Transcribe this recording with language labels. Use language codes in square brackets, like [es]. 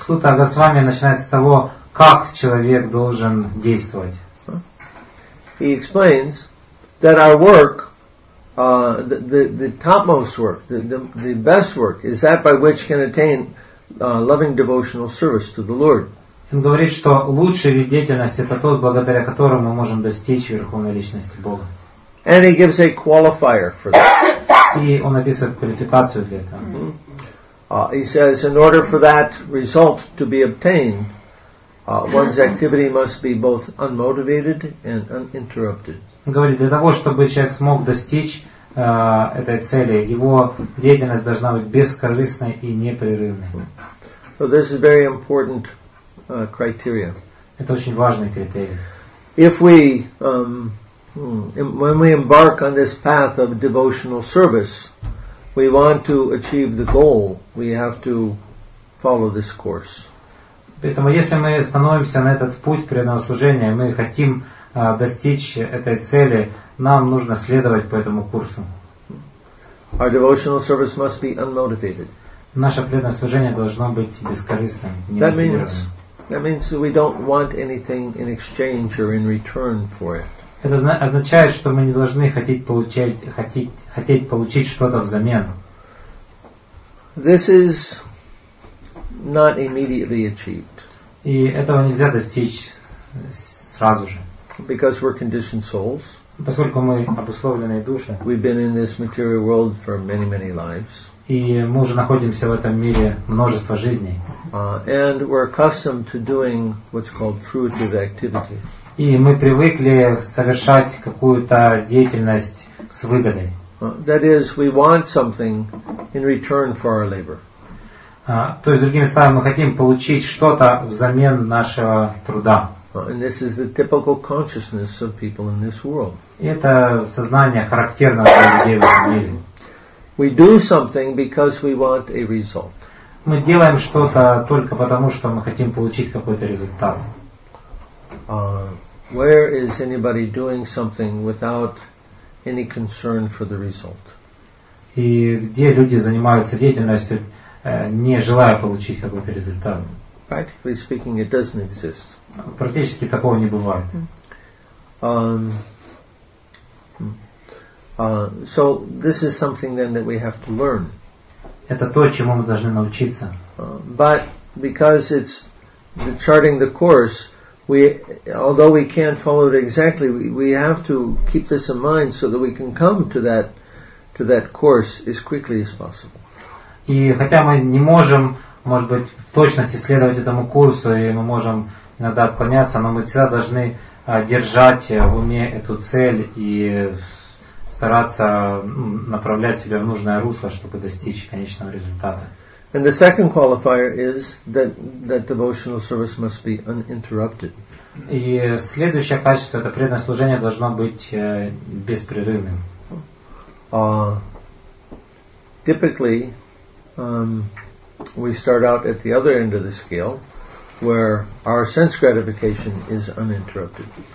[ru] Сутта Госвами начинает с того, как человек должен действовать. [en] He explains that our work, the topmost work, the best work, is that by which can attain loving devotional service to the Lord. [ru] Он говорит, что лучший вид деятельности это тот, благодаря которому мы можем достичь верховной личности Бога. [en] And he gives a qualifier for that. [ru] И он описывает квалификацию для этого. Mm-hmm. [en] He says, in order for that result to be obtained, one's activity must be both unmotivated and uninterrupted. [ru] Говорит, для того, чтобы человек смог достичь этой цели, его деятельность должна быть бескорыстной и непрерывной. Mm-hmm. [en] So this is very important criteria. [ru] Это очень важный критерий. [en] If we... when we embark on this path of devotional service, we want to achieve the goal. We have to follow this course. [ru] Поэтому, если мы становимся на этот путь преданного служения, мы хотим достичь этой цели, нам нужно следовать по этому курсу. [en] Our devotional service must be unmotivated. [ru] Наше преданное служение должно быть бескорыстным, немотивированным. [en] That means we don't want anything in exchange or in return for it. [ru] Это означает, что мы не должны хотеть получить что-то взамен. [en] This is not immediately achieved. [ru] И этого нельзя достичь сразу же. [en] Because we're conditioned souls. [ru] Поскольку мы обусловленные души. [en] We've been in this material world for many, many lives. [ru] И мы уже находимся в этом мире множество жизней. [en] And we're accustomed to doing what's called fruitive activity. [ru] И мы привыкли совершать какую-то деятельность с выгодой. [en] That is, we want something in return for our labor. [ru] То есть, другими словами, мы хотим получить что-то взамен нашего труда. [en] And this is the typical consciousness of people in this world. [ru] И это сознание характерно для людей в этом мире. [en] We do something because we want a result. [ru] мы делаем что-то только потому, что мы хотим получить какой-то результат. [en] Where is anybody doing something without any concern for the result? [ru] И где люди занимаются деятельностью, не желая получить какой-то результат? [en] Practically speaking, it doesn't exist. [ru] Практически такого не бывает. [en] So this is something then that we have to learn. [ru] Это то, чему мы должны научиться. [en] But because it's the charting the course, we, although we can't follow it exactly, we have to keep this in mind so that we can come to that course as quickly as possible. [ru] И хотя мы не можем, может быть, в точности следовать этому курсу, и мы можем иногда отклоняться, но мы всегда должны держать в уме эту цель и стараться направлять себя в нужное русло, чтобы достичь конечного результата. [en] And the second qualifier is that devotional service must be uninterrupted. [ru] И следующее качество – это преданное служение должно быть беспрерывным. [en] Typically, we start out at the other end of the scale, where our sense gratification is uninterrupted.